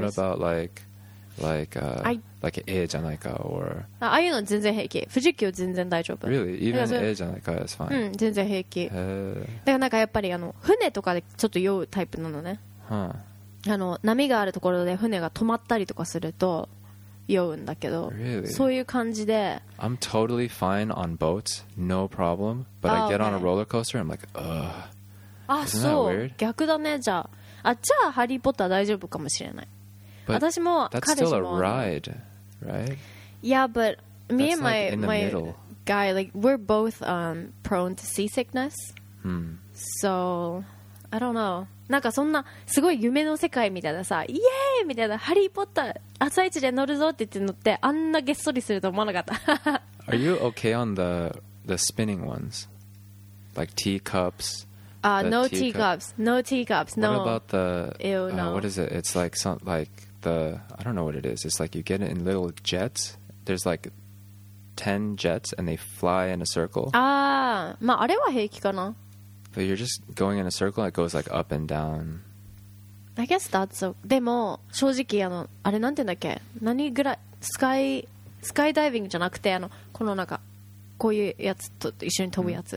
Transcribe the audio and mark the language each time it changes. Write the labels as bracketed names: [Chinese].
[English] what about like A じゃないか or [Japanese] ああいうの全然平気富士急全然大丈夫 [English] really even A じゃないか is fine [Japanese] うん全然平気だからなんかやっぱりあの船とかでちょっと酔うタイプなのね、 huh. あの波があるところで船が止まったりとかすると酔うんだけど、 [English] really? [Japanese] そういう感じで [English] I'm totally fine on boats no problem but I get on a roller coaster I'm like ugh [Japanese] あそう逆だねじゃあ、あじゃあハリーポッター大丈夫かもしれない [English] But、 [Japanese] 私も彼氏も [English] That's still a ride, right? Yeah, but me、 and like my middle. Guy, like, we're both prone to seasickness.、 Hmm. So, I don't know. [Japanese] なんかそんなすごい夢の世界みたいなさ、イエーイみたいな、ハリーポッター朝一で乗るぞって言って乗って、あんなげっそりすると思わなかった。 [English] Are you okay on the spinning ones? Like teacups? No teacups. No. What about the? Ew, no. What is it? It's like some like the. I don't know what it is. It's like you get it in little jets. There's like 10 jets and they fly in a circle. [Japanese] Ah, まああれは平気かな [English] But you're just going in a circle. It goes like up and down. I guess that's. [Japanese] でも正直あのあれなんて言うんだっけ？何ぐらいスカイダイビングじゃなくてあのこのなんかこういうやつと一緒に飛ぶやつ。